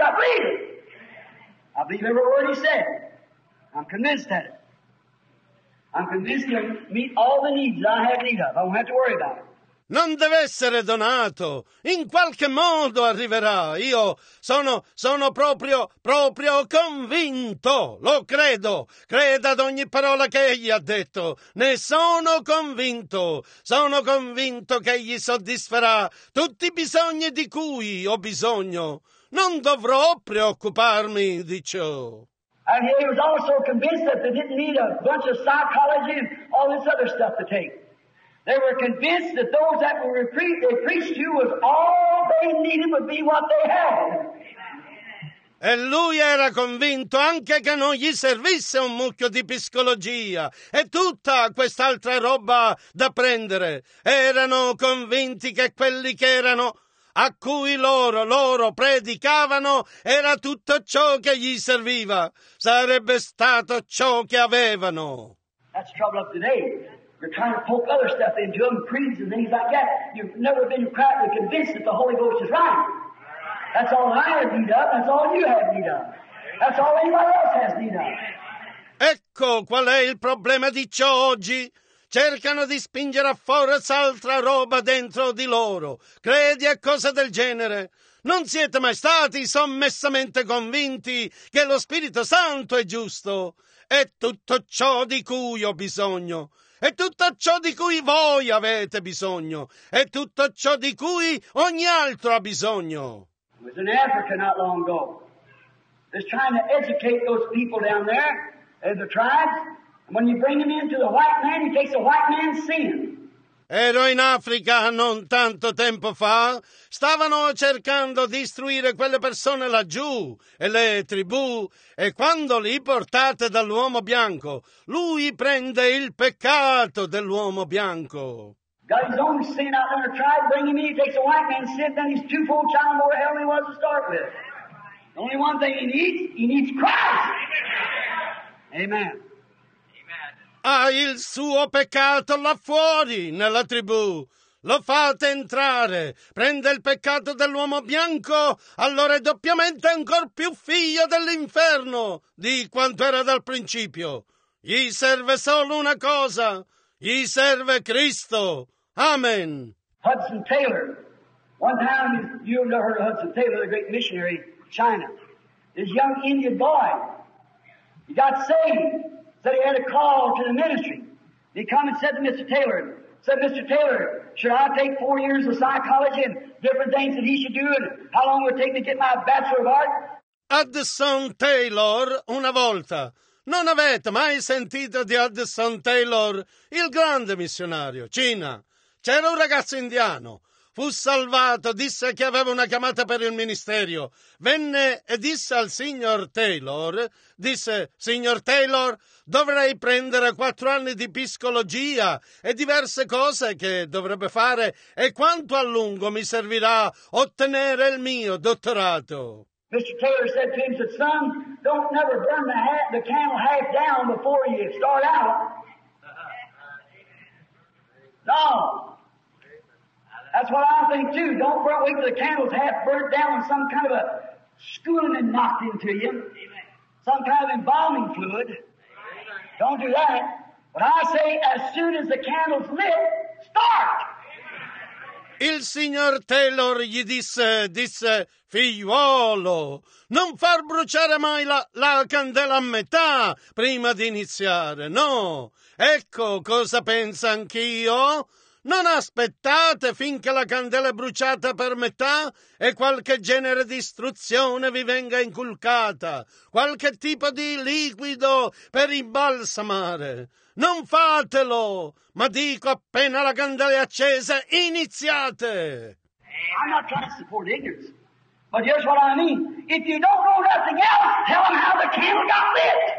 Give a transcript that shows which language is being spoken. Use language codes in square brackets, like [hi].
[en] I believe it. I believe every word he said. I'm convinced that. I'm convinced he'll meet all the needs that I have need of. I won't have to worry about it. [it] Non deve essere donato. In qualche modo arriverà. Io sono proprio, proprio convinto. Lo credo. Creda ad ogni parola che egli ha detto. Ne sono convinto. Sono convinto che egli soddisferà tutti i bisogni di cui ho bisogno. Non dovrò preoccuparmi di ciò. [en] And he was also convinced that they didn't need a bunch of psychology and all this other stuff to take. They were convinced that those that were preached to was all they needed would be what they had. [it] E lui era convinto anche che non gli servisse un mucchio di psicologia e tutta quest'altra roba da prendere. Erano convinti che quelli che erano a cui loro predicavano era tutto ciò che gli serviva. Sarebbe stato ciò che avevano. [en] That's the trouble of today. You're trying to poke other stuff into them, creeds and things like that. You've never been practically convinced that the Holy Ghost is right. That's all I have need of, that's all you have need of. That's all anybody else has need of. [it] Ecco qual è il problema di ciò oggi. Cercano di spingere a forza altra roba dentro di loro. Credi a cose del genere? Non siete mai stati sommessamente convinti che lo Spirito Santo è giusto? È tutto ciò di cui ho bisogno. È tutto ciò di cui voi avete bisogno. È tutto ciò di cui ogni altro ha bisogno. [en] Was in Africa not long ago. Just trying to educate those people down there, the tribes. And when you bring them into the white man, he takes the white man's sin. [it] Ero in Africa non tanto tempo fa. Stavano cercando di istruire quelle persone laggiù e le tribù. E quando li portate dall'uomo bianco, lui prende il peccato dell'uomo bianco. [en] Got his own sin out there in the tribe, bring him in, he takes a white man's sin, then he's twofold child more hell than he was to start with. The only one thing he needs Christ. Amen. [it] Ha il suo peccato là fuori, nella tribù. Lo fate entrare. Prende il peccato dell'uomo bianco, allora è doppiamente ancor più figlio dell'inferno di quanto era dal principio. Gli serve solo una cosa. Gli serve Cristo. Amen. [en] Hudson Taylor. One time, you never heard of Hudson Taylor, the great missionary in China. This young Indian boy. He got saved. Said he had a call to the ministry. He come and said to Mr. Taylor, said, Mr. Taylor, should I take 4 years of psychology and different things that he should do and how long would it take me to get my Bachelor of Art? [it] Hudson Taylor, una volta. Non avete mai sentito di Hudson Taylor, il grande missionario, Cina. C'era un ragazzo indiano. Fu salvato, disse che aveva una chiamata per il ministerio. Venne e disse al signor Taylor, disse, signor Taylor, dovrei prendere 4 anni di psicologia e diverse cose che dovrebbe fare e quanto a lungo mi servirà ottenere il mio dottorato. [en] Mr. Taylor said to him, said, son, don't never burn the candle half down before you start out. No. That's what I think too. Don't wait till the candle's half burnt down with some kind of a schooling knocked into you. Amen. Some kind of embalming fluid. Amen. Don't do that. But I say, as soon as the candle's lit, start! [it] Il signor Taylor gli disse, figliuolo, non far bruciare mai la candela a metà prima di iniziare, no. Ecco cosa penso anch'io. Non aspettate finché la candela è bruciata per metà e qualche genere di istruzione vi venga inculcata, qualche tipo di liquido per imbalsamare. Non fatelo, ma dico appena la candela è accesa, iniziate! [en] I'm not trying to support ignorance, but here's what I mean. If you don't know nothing else, tell them how the candle got lit!